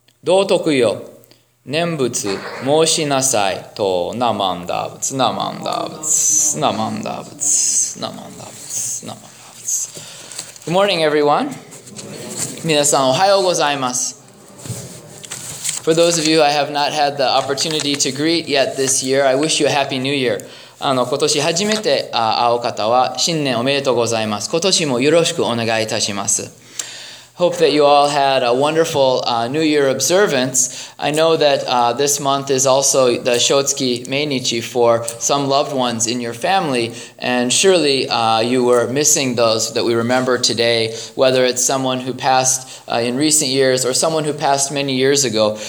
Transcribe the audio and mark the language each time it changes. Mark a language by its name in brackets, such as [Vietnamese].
[Japanese] 道徳よ、念仏申しなさい。と、ナマンダーブツ、ナマンダーブツ、ナマンダーブツ、ナマンダーブツ、ナマンダーブツ。 [English] Good morning, everyone. [Japanese] 皆さん、おはようございます。 [English] For those of you I have not had the opportunity to greet yet this year, I wish you a happy new year. [Japanese] 今年初めて会う方は、新年おめでとうございます。今年もよろしくお願いいたします。 [English] Hope that you all had a wonderful New Year observance. I know that this month is also the Shotsuki Meinichi for some loved ones in your family, and surely you were missing those that we remember today, whether it's someone who passed in recent years or someone who passed many years ago.